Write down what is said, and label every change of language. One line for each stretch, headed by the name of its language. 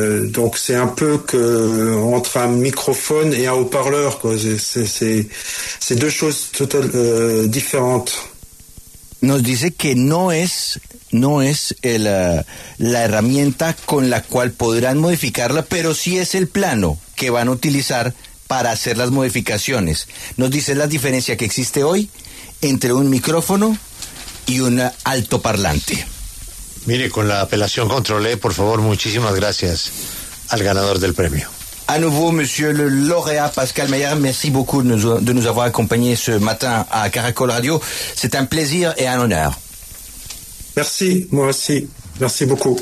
French: Donc, c'est un peu que entre un microphone et un haut-parleur, quoi. C'est deux choses totalement différentes.
Spanish: Nos dice que no es la herramienta con la cual podrán modificarla, pero sí es el plano que van a utilizar para hacer las modificaciones. Nos dice la diferencia que existe hoy entre un micrófono y un altoparlante. Mire, con la apelación controlé, por favor, muchísimas gracias al ganador del premio.
French: À nouveau, monsieur le lauréat Pascal Maillard, merci beaucoup de nous avoir accompagnés ce matin à Caracol Radio. C'est un plaisir et un honneur. Merci, moi aussi. Merci beaucoup.